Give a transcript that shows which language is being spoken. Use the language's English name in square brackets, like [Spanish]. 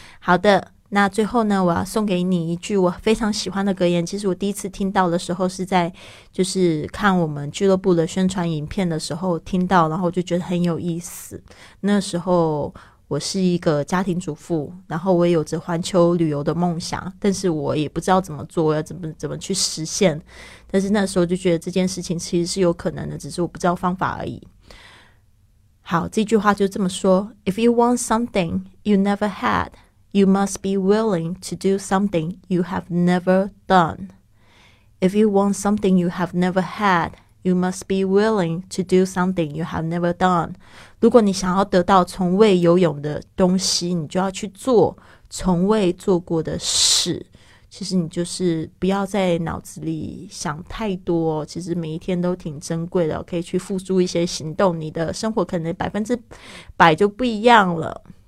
[Chinese] 好的，那最后呢，我要送给你一句我非常喜欢的格言。其实我第一次听到的时候是在就是看我们俱乐部的宣传影片的时候听到，然后我就觉得很有意思。那时候我是一个家庭主妇，然后我也有着环球旅游的梦想，但是我也不知道怎么做，要怎么去实现。但是那时候就觉得这件事情其实是有可能的，只是我不知道方法而已。好，这句话就这么说 [English] If you want something you never had, you must be willing to do something you have never done. If you want something you have never had,You must be willing to do something you have never done. [Chinese] 如果你想要得到从未有勇的东西，你就要去做从未做过的事。其实你就是不要在脑子里想太多，其实每一天都挺珍贵的，可以去付诸一些行动，你的生活可能100%就不一样了。